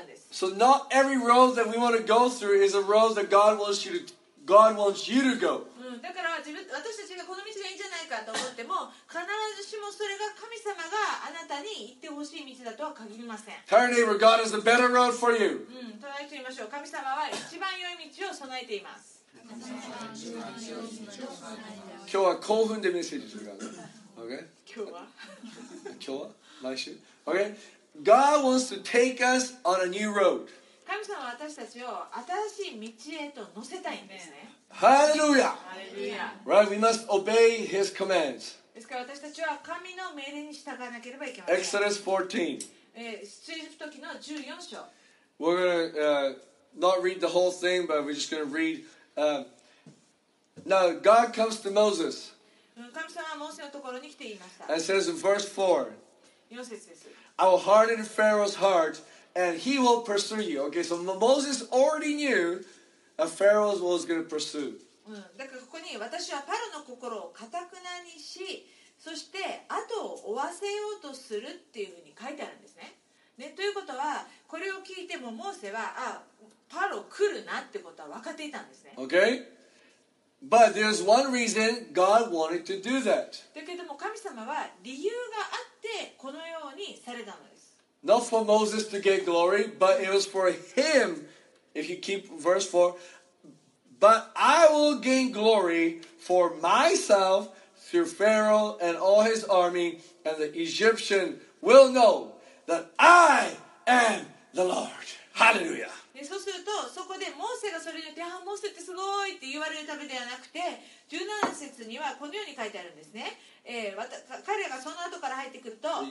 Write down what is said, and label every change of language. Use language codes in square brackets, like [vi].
[en] So not every road that we want to go through is a road that God wants you to go. [ja] だから私たちがこの道がいいんじゃないかと思っても、必ずしもそれが神様があなたに行ってほしい道だとは限りません。 [en] Tell your neighbor, God is the better road for you. [ja] 隣人に言いましょう。神様は一番良い道を備えています。今日は興奮でメッセージするから。 [en] Okay? [ja] 今日は。今日は。来週 [en] okay? God wants to take us on a new road. [ja] 神様は私たちを新しい道へと乗せたいんですね。 [en] Hallelujah! Hallelujah! Right? We must obey His commands. [ja] ですから私たちは神の命令に従わなければいけません。 [en] Exodus 14. [ja] 出エジプト記の14章。 [en] We're going to not read the whole thing, but we're just going to read. Now, God comes to Moses. [ja] 神様はモーセのところに来て言いました。 [en] And it says in verse 4. I will harden Pharaoh's heart and he will pursue you. Okay, so Moses already knew that Pharaoh was going to pursue. [ja] だからここに私はパロの心を固くなにし、そして後を追わせようとするっていうふうに書いてあるんですね。ね、ということはこれを聞いてもモーセはあ、パロ来るなってことは分かっていたんですね。 [en] Okay? But there's one reason God wanted to do that. [ja] だけども神様は理由があってこのようにされたのです。 [en] Not for Moses to get glory, but it was for him, if you keep verse 4, but I will gain glory for myself through Pharaoh and all his army, and the Egyptian will know that I am the Lord. Hallelujah! [ja] そうすると、そこでモーセがそれによって、モーセってすごいって言われるためではなくて、17節にはこのように書いてあるんですね。彼がその後から入ってくると、